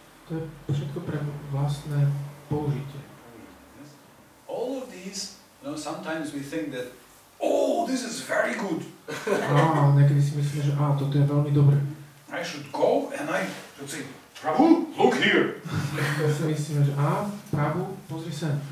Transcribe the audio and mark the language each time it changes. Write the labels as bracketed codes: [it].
[sk] To je všetko pre vlastné použitie. [en] All of these, you know, sometimes we think that oh, this is very good. [sk] Niekedy si myslíme, že toto je veľmi dobré. [en] I should go and I should say, Prabhu, look here. [sk] Ja si myslím, že Prabhu, pozri sa.